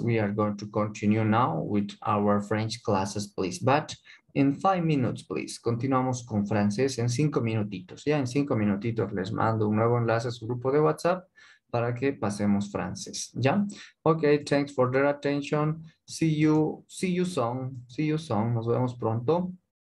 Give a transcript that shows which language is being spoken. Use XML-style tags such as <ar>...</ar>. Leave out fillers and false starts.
<en>We are going to continue now with our French classes, please. But in 5 minutes, please.</en> <es>Continuamos con francés en 5 minutitos. Ya en 5 minutitos les mando un nuevo enlace a su grupo de WhatsApp para que pasemos francés, ¿ya?</es> <en>Okay, thanks for their attention. See you soon. See you soon.</en> <es>Nos vemos pronto.</es>